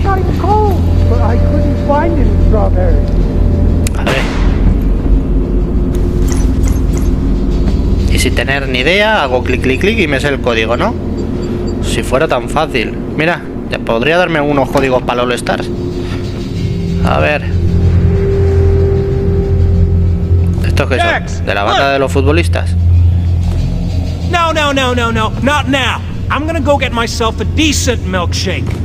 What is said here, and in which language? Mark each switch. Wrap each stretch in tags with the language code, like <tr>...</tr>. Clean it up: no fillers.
<en>But I couldn't find any strawberry.</en> <es>Y sin tener ni idea, hago clic, clic, clic y me sale el código, ¿no? Si fuera tan fácil. Mira, ya podría darme unos códigos para All Stars. A ver. ¿Estos qué son? ¿De la banda de los futbolistas?</es> <en>No, no, no, no, no. Not now. I'm gonna go get myself a decent milkshake.</en>